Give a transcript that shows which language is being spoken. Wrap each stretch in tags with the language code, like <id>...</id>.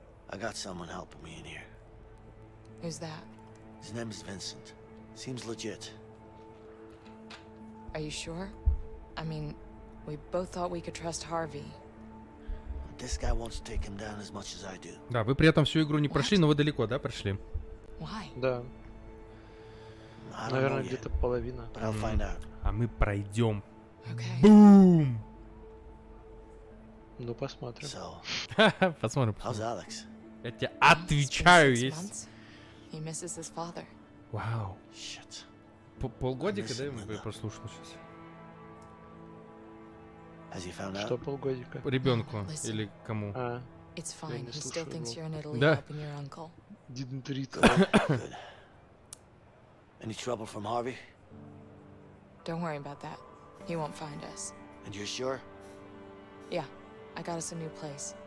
<en>I got someone helping me in here. Who's that? His name is Vincent. Seems legit. Are you sure? I mean, we both thought we could trust Harvey. This guy wants to take him down as much as I do.</en> <ru>Да, вы при этом всю игру не прошли, но вы далеко, да, прошли?</ru> <en>Why?</en> <ru>Да. Наверное, где-то половина.</ru> <en>But I'll find out.</en> <ru>А мы пройдем. Бум! Ну, посмотрим. So, посмотрим.</ru> <en>How's Alex?</en> <ru>Я тебе отвечаю, есть.</ru> <en>He misses his father.</en> <ru>Вау.</ru> <en>Shit.</en> <ru>Полгодика, да, мы прослушали сейчас. Что полгодика? Ребенку или кому?</ru> <en>It's fine. He still thinks you're in Italy helping your uncle. Didn't read that. Any trouble from Harvey? Don't worry about that. He won't find us. And you're sure? Yeah. I got us a new place.</en>